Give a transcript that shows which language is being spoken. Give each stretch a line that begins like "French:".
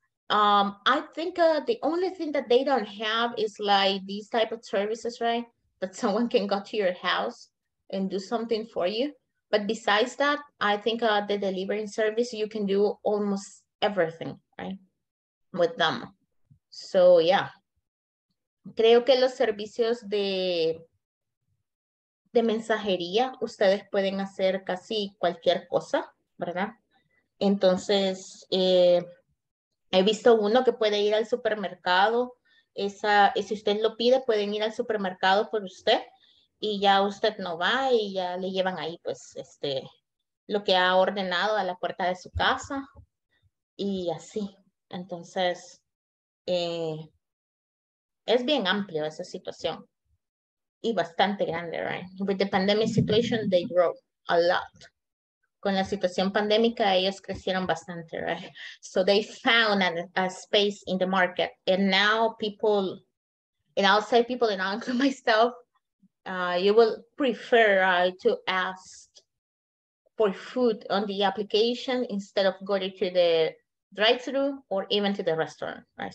English: I think the only thing that they don't have is like these type of services, right? That someone can go to your house and do something for you. But besides that, I think the delivery service, you can do almost everything, right? With them.
Spanish: So yeah, creo que los servicios de mensajería, ustedes pueden hacer casi cualquier cosa, ¿verdad? Entonces, he visto uno que puede ir al supermercado, y si usted lo pide, pueden ir al supermercado por usted, y ya usted no va y ya le llevan ahí, pues, lo que ha ordenado a la puerta de su casa, y así. Entonces, es bien amplio esa situación. Y bastante grande, right?
English: With the pandemic situation, they grow a lot.
Spanish: Con la situación pandémica, ellos crecieron bastante, right?
English: So they found a space in the market. And now people, and I'll say people, and I'll include myself, you will prefer to ask for food on the application instead of going to the drive-thru or even to the restaurant, right?